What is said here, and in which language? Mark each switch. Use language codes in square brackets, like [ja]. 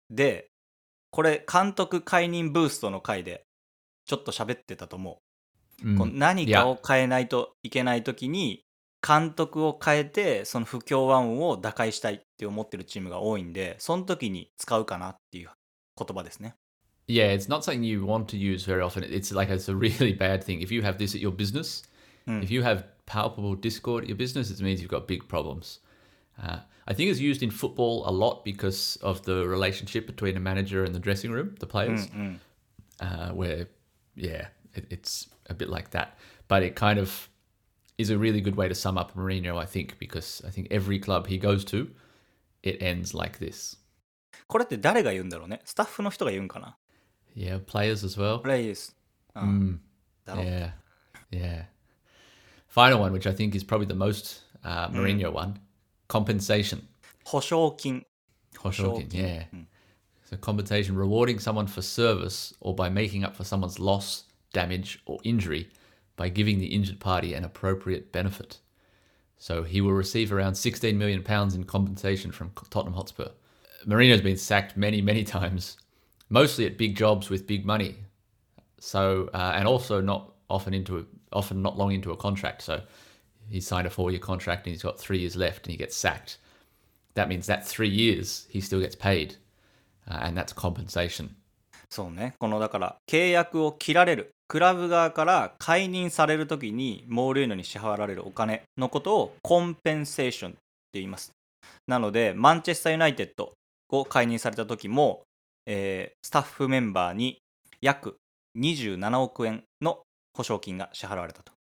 [ja] で、これ監督解任ブーストの回でちょっと喋ってたと思う。こう何かを変えないといけないときに監督を変えてその不協和音を打開したいって思ってるチームが多いんで、その時に使うかなっていう言葉ですね。 [en] Yeah, it's not something you want to use very often. It's like it's a really bad thing. If you have this at your business, if you have palpable discord at your business, it means you've got big problems. I think it's used in football a lot because of the relationship between a manager and the dressing room, the players, where... Yeah, it's a bit like that. But it kind of is a really good way to sum up Mourinho, I think, because I think every club he goes to, it ends like this. [ja] これって誰が言うんだろうね?スタッフの人が言うんかな? [en] Yeah, players as well. Players. Yeah, yeah. Final one, which I think is probably the most Mourinho one, compensation. [ja] 保証金。 [en] 保証金, yeah. So compensation, rewarding someone for service or by making up for someone's loss, damage or injury by giving the injured party an appropriate benefit. So he will receive around £16 million in compensation from Tottenham Hotspur. Mourinho's been sacked many, many times, mostly at big jobs with big money. So, and also not often into a, often not long into a contract. So he signed a 4-year contract and he's got 3 years left and he gets sacked. That means that 3 years, he still gets paid. And that's compensation. [ja] そうね。このだから契約を切られる、クラブ側から解任されるときにモーリーノに支払われるお金のことをコンペンセーションって言います。なのでマンチェスターユナイテッドを解任されたときも、スタッフメンバーに約27億円の保証金が支払われたと。